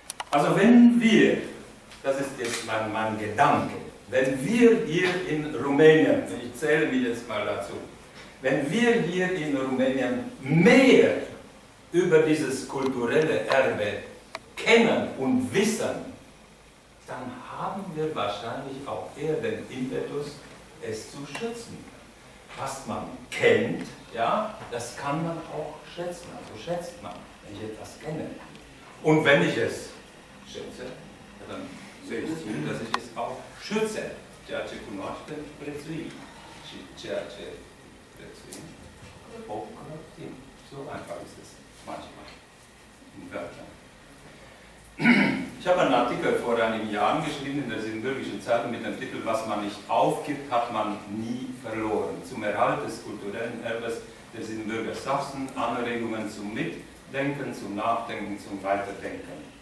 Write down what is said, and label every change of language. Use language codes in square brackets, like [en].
[de] Also wenn wir, das ist jetzt mein Gedanke, wenn wir hier in Rumänien, ich zähle mich jetzt mal dazu, wenn wir hier in Rumänien mehr über dieses kulturelle Erbe kennen und wissen, dann haben wir wahrscheinlich auch eher den Impetus, es zu schützen. Was man kennt, ja, das kann man auch schätzen. Also schätzt man, wenn ich etwas kenne. Und wenn ich es schätze, ja, dann sehe ich zu, dass ich es auch schütze. [ro] Ceea ce cunoaște, prețuim. Și ceea ce prețuim, ocrotim. [de] So einfach ist es manchmal in Wörtern. Ich habe einen Artikel vor einigen Jahren geschrieben in der Siebenbürgischen Zeitung mit dem Titel Was man nicht aufgibt, hat man nie verloren. Zum Erhalt des kulturellen Erbes der Siebenbürger Sachsen, Anregungen zum Mitdenken, zum Nachdenken, zum Weiterdenken.